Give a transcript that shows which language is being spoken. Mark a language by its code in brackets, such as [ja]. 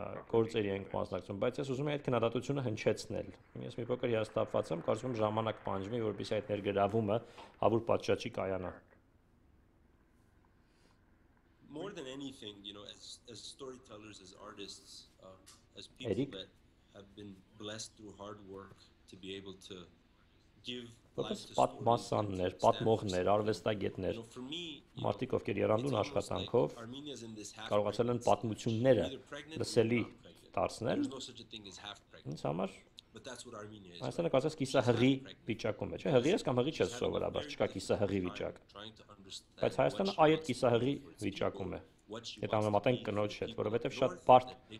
[hy] գործերի ենք մասնակցում, բայց ես ուզում եմ այդ քննադատությունը հնչեցնել։ Ես մի փոքր հիասթափված եմ, կարծում եմ ժամանակ պահանջվի, որպեսզի այդ ներգրավումը հավուր պատշաճի կայանա։ [en] More than anything, you know, as storytellers, as artists, as people that have been blessed through hard work to be able to give [hy] Որպես պատմասաններ, պատմողներ, արվեստագետներ, մարդիկ, ովքեր երանդուն աշխատանքով կարողացել են պատմությունները լսելի դարձնել, ինձ համար Հայաստանը կասես կիսահղի վիճակում է, չէ՞, հղի ես կամ հղի չես սովորաբար, չկա կիսահղի վիճակ, բայց Հայաստանը այդ կիսահղի վիճակում է, հետ համեմատեն կնոջ հետ, որովհետև շատ բարդ